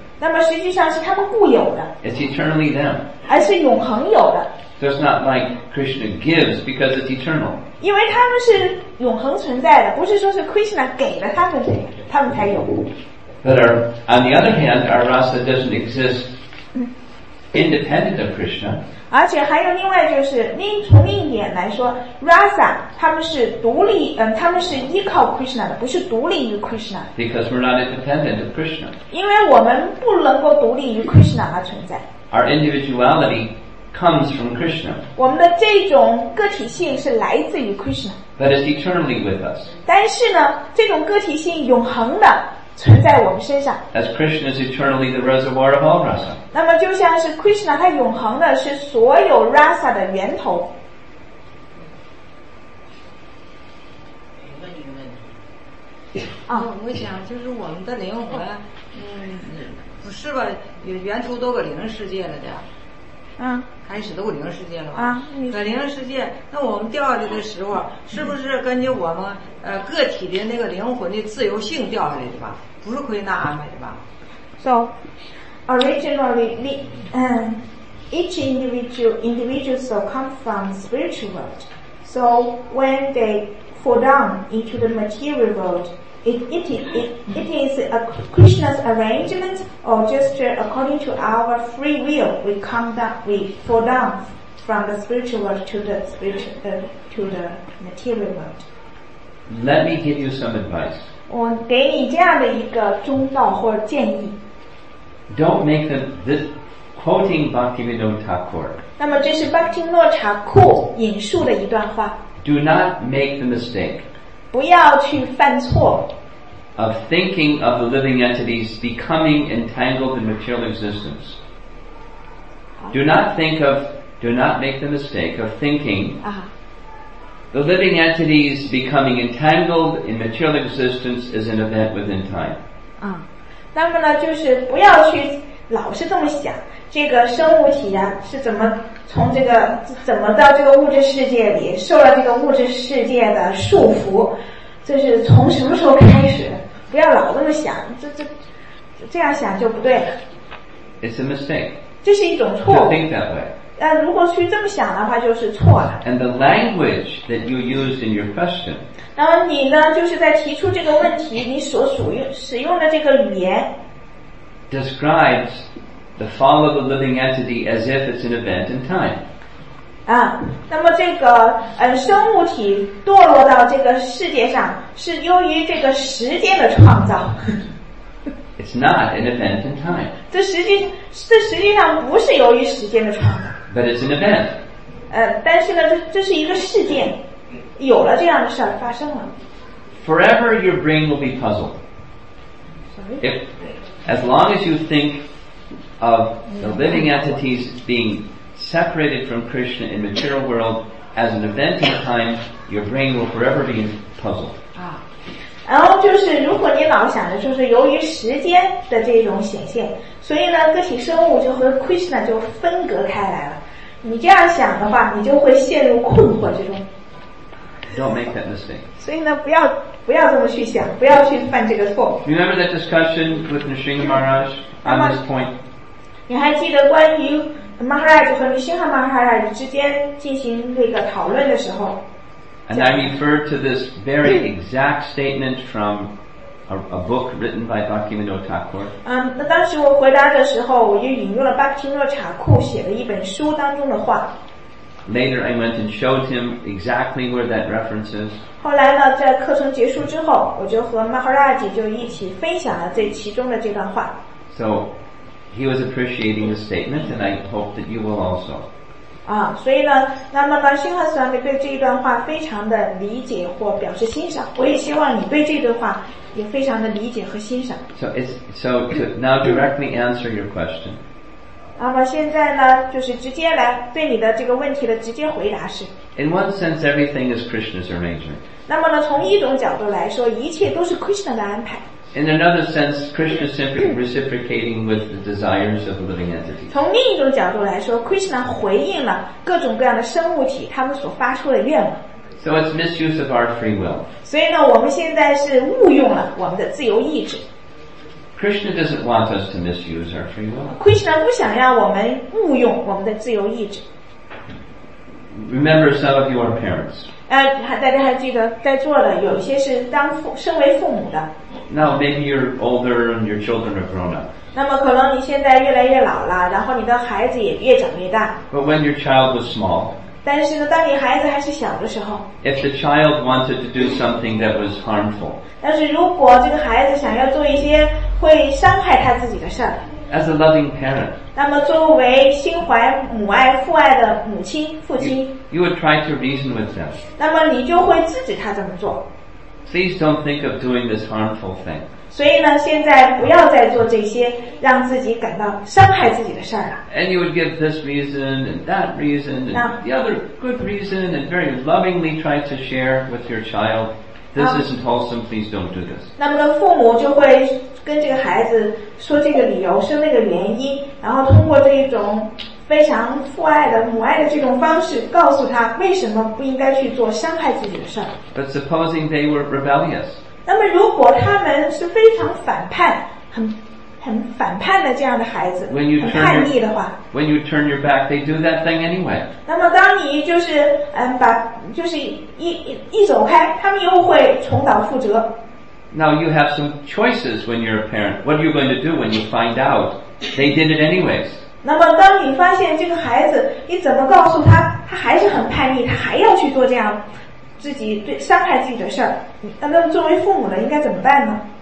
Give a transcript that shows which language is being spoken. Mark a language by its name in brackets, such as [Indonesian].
[Chinese] 那么实际上是他们固有的。 [English] It's eternally them. [Chinese] 而是永恒有的。 [English] So it's not like Krishna gives because it's eternal. [Chinese] 因为他们是永恒存在的，不是说是 Krishna 给了他们，他们才有。 [English] But on the other hand, our rasa doesn't exist independent of Krishna. [Chinese] 而且还有另外就是从另一点来说 Rasa 他们是独立他们是依靠 Krishna 的不是独立于 Krishna [English] Because we're not independent of Krishna [Chinese] 因为我们不能够独立于 Krishna 而存在 [English] Our individuality comes from Krishna [Chinese] 我们的这种个体性是来自于 Krishna [English] But it's eternally with us [Chinese] 但是呢这种个体性永恒的存在我们身上 [English] As Krishna is eternally the reservoir of all rasa [Chinese] 那么就像是 Krishna 他永恒的是所有 rasa 的源头问一个问题、我想就是我们的灵魂不是吧原初都个灵世界了的开始都个灵世界了吧个灵世界那我们掉下来的时候是不是根据我们个体的那个灵魂的自由性掉下来的吧不是归纳安排的吧 [English] So originally each individual soul comes from spiritual world so when they fall down into the material worldIt is a Krishna's arrangement or just according to our free will we come down, we fall down from the spiritual world to the material world. Let me give you some advice. [Chinese] 我给你这样的一个忠告或建议。 [English] Don't make them, this, quoting Bhaktivinoda Thakur. [Chinese] 那么这是 Bhaktivinoda Thakur 引述的一段话。 [English] Do not make the mistake. [Chinese] 不要去犯错。 [English] Of thinking of the living entities becoming entangled in material existence. Do not make the mistake of thinking the living entities becoming entangled in material existence is an event within time. [Chinese] 那么呢，就是不要去老是这么想，这个生物体啊是怎么从这个怎么到这个物质世界里，受了这个物质世界的束缚。这是从什么时候开始不要老这么想这样想就不对了 [English] It's a mistake [Chinese] 这是一种错误 [English] To think that way [Chinese] 但如果去这么想的话就是错了。 [English] And the language that you used in your question. [Chinese] 那么你呢就是在提出这个问题你所使用的这个语言。 [English] Describes the fall of a living entity as if it's an event in time. [Chinese] 啊那么这个生物体堕落到这个世界上是由于这个时间的创造。 [English] It's not an event in time. [Chinese] 这实际上不是由于时间的创造。 [English] But it's an event. [Chinese] 但是呢这是一个事件有了这样的事发生了。 [English] Forever your brain will be puzzled. Sorry? If, as long as you think of the living entities being separated from Krishna in the material world as an event in time, your brain will forever be puzzled. [Chinese] 然后就是如果你老想着就是由于时间的这种显现所以呢个体生物就和 Krishna 就分隔开来了你这样想的话你就会陷入困惑之中 [English] Don't make that mistake [Chinese] 所以呢不要这么去想不要去犯这个错 [English] Remember that discussion with Nrisimha Maharaj on this point [Chinese] 你还记得关于 Maharaj 和 Nrisimha Maharaj 之间进行这个讨论的时候 [English] And I refer to this very exact statement from a book written by Bhaktivinoda Thakur. [Chinese] 那当时我回答的时候，我就引用了 Bhaktivinoda Thakur 写的一本书当中的话。 [English] Later, I went and showed him exactly where that reference is. [Chinese] 后来呢，在课程结束之后，我就和 Maharaj 就一起分享了这其中的这段话。 [English] So he was appreciating the statement, and I hope that you will also. [Chinese] 所以呢那么呢星河斯拉米对这一段话非常的理解或表示欣赏我也希望你对这段话也非常的理解和欣赏 [English] So to now directly answer your question [Chinese] 那么现在呢就是直接来对你的这个问题的直接回答是 [English] In one sense everything is Krishna's arrangement [Chinese] 那么呢从一种角度来说一切都是 Krishna 的安排 [English] In another sense Krishna is simply reciprocating with the desires of the living entity [Chinese] 从另一种角度来说 Krishna 回应了各种各样的生物体他们所发出的愿望 [English] So it's misuse of our free will [Chinese] 所以呢我们现在是误用了我们的自由意志 [English] Krishna doesn't want us to misuse our free will [Chinese] Krishna 不想让我们误用我们的自由意志 [English] Remember some of your parents [Chinese] 大家还记得在座的有些是身为父母的 [English] Now maybe you're older and your children are grown up. [Chinese] 那么可能你现在越来越老了，然后你的孩子也越长越大。 [English] But when your child was small. [Chinese] 但是呢，当你孩子还是小的时候。 [English] If the child wanted to do something that was harmful. [Chinese] 但是如果这个孩子想要做一些会伤害他自己的事儿。 [English] As a loving parent. [Chinese] 那么作为心怀母爱、父爱的母亲、父亲。 [English] You would try to reason with them. [Chinese] 那么你就会制止他这么做。 [English] Please don't think of doing this harmful thing. [Chinese] 所以呢，现在不要再做这些让自己感到伤害自己的事儿了。 [English] And you would give this reason and that reason and the other good reason and very lovingly try to share with your child. This isn't wholesome. Please don't do this. [Chinese] 那么呢，父母就会跟这个孩子说这个理由，说那个原因，然后通过这一种非常父爱的母爱的这种方式告诉他为什么不应该去做伤害自己的事儿。 [English] But supposing they were rebellious. [Chinese] 那么如果他们是非常反叛很反叛的这样的孩子很叛逆的话 [English] When you turn your back they do that thing anyway. [Chinese] 那么当你就是就是一走开他们又会重蹈覆辙。 [English] Now you have some choices when you're a parent. What are you going to do when you find out they did it anyways? [Chinese] 那么当你发现这个孩子你怎么告诉他他还是很叛逆他还要去做这样自己对伤害自己的事儿那么作为父母的应该怎么办呢